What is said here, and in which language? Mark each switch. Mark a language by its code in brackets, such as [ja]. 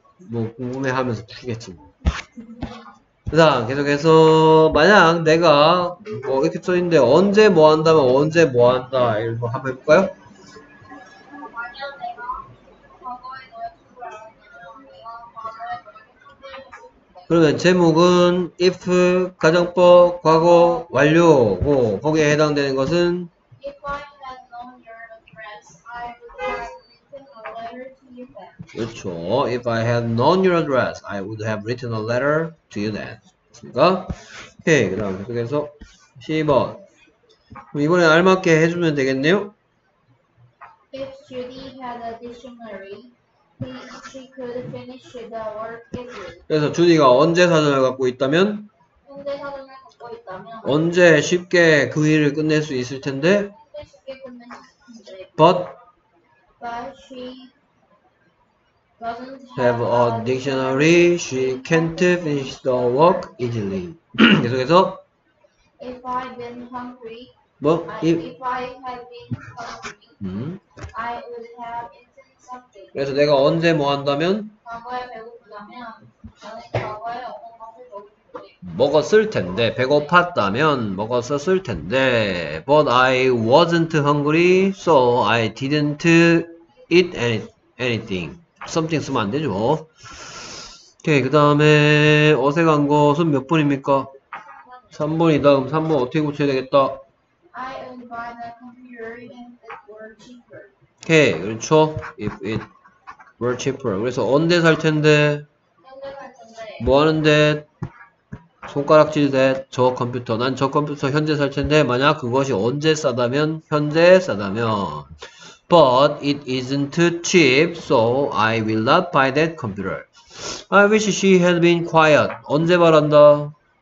[ko] 뭐 궁금해하면서 풀겠지. 그다음 계속해서 만약 내가 뭐 이렇게 써 있는데 언제 뭐 한다면 언제 뭐 한다 이런 거 한번 해볼까요? 만약 내가 과거에 너였을 때 그러면 제목은 if 가정법 과거 완료고 거기에 해당되는 것은 [en] if I had known your address, I would have written a letter to you then. [ko] 그렇죠. [en] If I had known your address, I would have written a letter to you then. [ko] 됐습니까? 오케이. 그 다음 계속해서 10번. 이번에 알맞게 해주면 되겠네요? [en] If Judy had a dictionary, she could finish the work easily. [ko] 그래서 주디가 언제 사전을 갖고 있다면? 언제 사전을 갖고 있다면? 언제 쉽게 그 일을 끝낼 수 있을 텐데? 언제 쉽게 끝낼 수 있을 텐데? [en] But she have a dictionary, she can't finish the work easily. [ko] 계속해서 [en] if I been hungry, [ko] 뭐? [en] If I had been hungry, I would have eaten something. [ko] 그래서 내가 언제 뭐 한다면? 과거에 배고프다면, 나는 과거에 어떤 것을 먹었을 텐데, 배고팠다면 먹었을 텐데, [en] but I wasn't hungry, so I didn't eat anything. [ko] something 쓰면 안 되죠. 오케이, 그 다음에 어색한 것은 몇 번입니까? 3번이다. 그럼 3번 어떻게 고쳐야 되겠다. [en] I would buy the computer if it were cheaper. [ko] 오케이, 그렇죠. [en] If it were cheaper. [ko] 그래서 언제 살 텐데? 뭐 하는데? 손가락질 대 저 컴퓨터. 난 저 컴퓨터 현재 살 텐데 만약 그것이 언제 싸다면? 현재 싸다면. [en] But it isn't cheap, so I will not buy that computer. I wish she had been quiet. [ko] 언제 바란다?